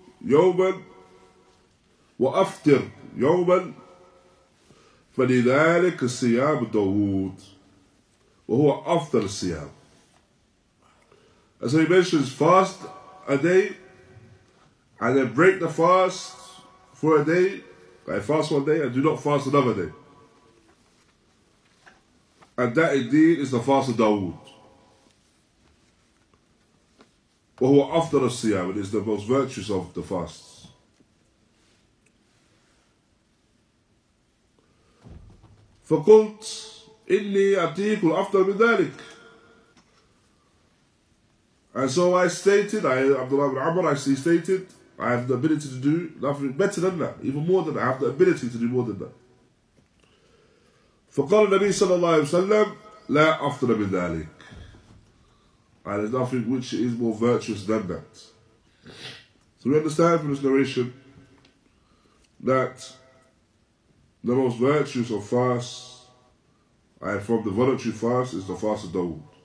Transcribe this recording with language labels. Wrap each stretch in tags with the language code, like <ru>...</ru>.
<ar>يوماً وأفطر يوماً فلذلك صيام داود وهو أفضل الصيام.</ar> <en>As he mentions, fast a day and then break the fast for a day. I fast one day and do not fast another day. And that indeed is the fast of Dawood.</en> <ar>وهو أفضل الصيام.</ar> <en>It is the most virtuous of the fasts.</en> <ar>فقلت إني أتيك الأفضل من ذلك.</ar> <en>And so I stated, Abdullah bin Amr, I stated, I have the ability to do nothing better than that, even more than that. I have the ability to do more than that.</en> <ar>فقال النبي صلى الله عليه وسلم لا أفضل من ذلك.</ar> <en>And there's nothing which is more virtuous than that. So we understand from this narration that the most virtuous of fasts, and from the voluntary fast, is the fast of Dawood.</en>